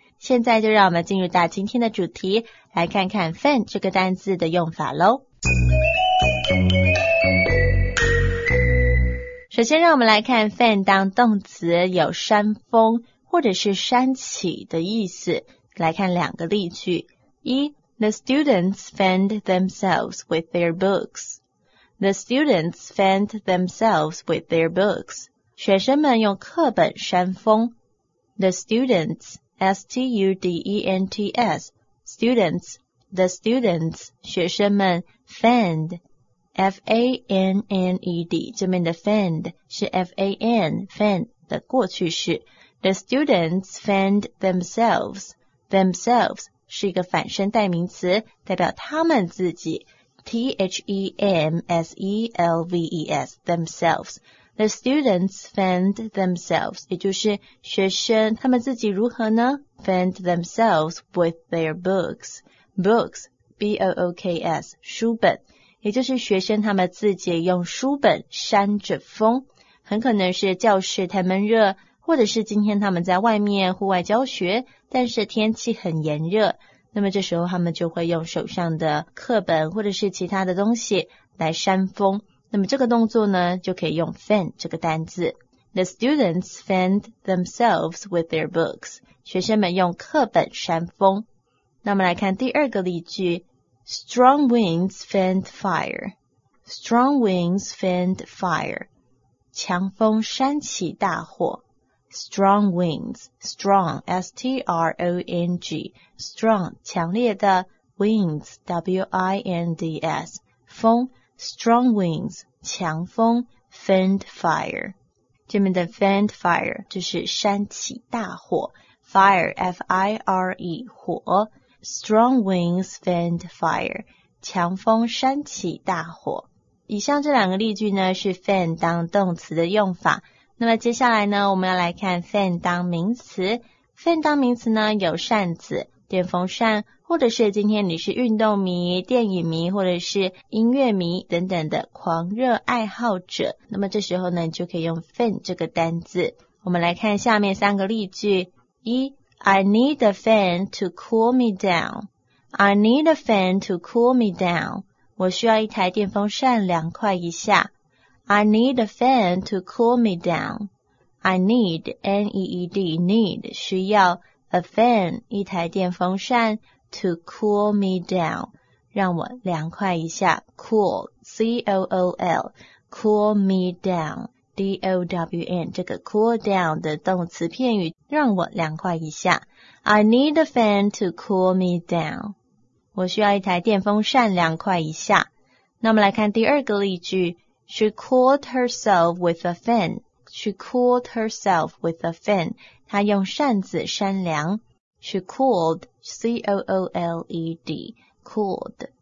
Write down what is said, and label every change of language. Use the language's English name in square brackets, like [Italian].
[Chinese] 现在就让我们进入到今天的主题，来看看 fan 这个单字的用法咯。首先让我们来看 fan 当动词有扇风或者是扇起的意思。来看两个例句。 [English] 一， The students fanned themselves with their books. The students fanned themselves with their books. [Chinese] 学生们用课本扇风。 [English] The students, S-T-U-D-E-N-T-S, students, the students, 学生们 fanned. [Chinese] F-A-N-N-E-D, 这边的 fanned 是 F-A-N, fan 的过去式。 [English] The students fanned themselves. [Chinese] Themselves 是一个反身代名词，代表他们自己。 [English] T-H-E-M-S-E-L-V-E-S, themselves. The students fanned themselves, [Chinese] 也就是学生他们自己如何呢？ [English] Fanned themselves with their books. Books, B-O-O-K-S, 书本。 [Chinese] 也就是学生他们自己用书本扇着风，很可能是教室太闷热，或者是今天他们在外面户外教学，但是天气很炎热，那么这时候他们就会用手上的课本或者是其他的东西来扇风。那么这个动作呢，就可以用 fan 这个单字。 [English] The students fanned themselves with their books. [Chinese] 学生们用课本扇风。那我们来看第二个例句。 [English] Strong winds fanned fire. Strong winds fanned fire. [Chinese] 强风扇起大火。 [English] Strong winds, strong, S-T-R-O-N-G, strong, 强烈的 winds, W-I-N-D-S, 风 strong winds, 强风 fanned fire. [Chinese] 这边的 fanned fire 就是扇起大火。 [English] Fire, F-I-R-E, 火。Strong winds fanned fire. [Chinese] 强风扇起大火。以上这两个例句呢，是 fan 当动词的用法。那么接下来呢，我们要来看 fan 当名词。 fan 当名词呢，有扇子、电风扇，或者是今天你是运动迷、电影迷，或者是音乐迷等等的狂热爱好者。那么这时候呢，你就可以用 fan 这个单字。我们来看下面三个例句。 [English] 一，I need a fan to cool me down. I need a fan to cool me down. [Chinese] 我需要一台电风扇凉快一下。 [English] I need a fan to cool me down. I need, N-E-E-D, need, 需要 a fan, [Chinese] 一台电风扇 [English] to cool me down. [Chinese] 让我凉快一下。 [English] Cool, C-O-O-L, cool me down. [Chinese] D-O-W-N, 这个 cool down 的动词片语让我凉快一下。 [English] I need a fan to cool me down. [Chinese] 我需要一台电风扇凉快一下。那我们来看第二个例句。 [English] She cooled herself with a fan. She cooled herself with a fan. [Chinese] 她用扇子扇凉。 [English] She cooled, C-O-O-L-E-D, cooled.